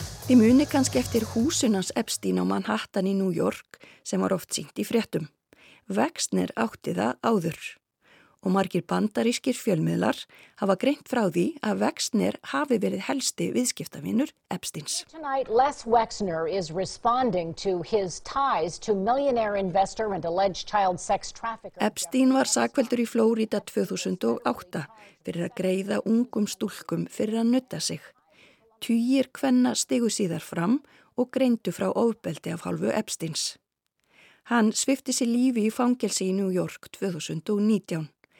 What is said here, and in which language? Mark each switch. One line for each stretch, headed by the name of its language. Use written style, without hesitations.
Icelandic: Þið muni kannski eftir húsunans Epstein á Manhattan í New York sem var oft sýnt í fréttum. Vexner átti það áður. Og margir bandarískir fjölmiðlar hafa greint frá því að Vexner hafi verið helsti viðskiptavinur Epsteins.
English: Tonight, Les Wexner is responding to his ties to millionaire investor and alleged child sex trafficker.
Icelandic: Epstein var sakfelldur í Flórída 2008 fyrir að greiða ungum stúlkum fyrir að nutta sig. Tugir kvenna stigu síðar fram og greindu frá ofbeldi af hálfu Epsteins. Hann svifti sér lífi í fangelsi í New York 2019.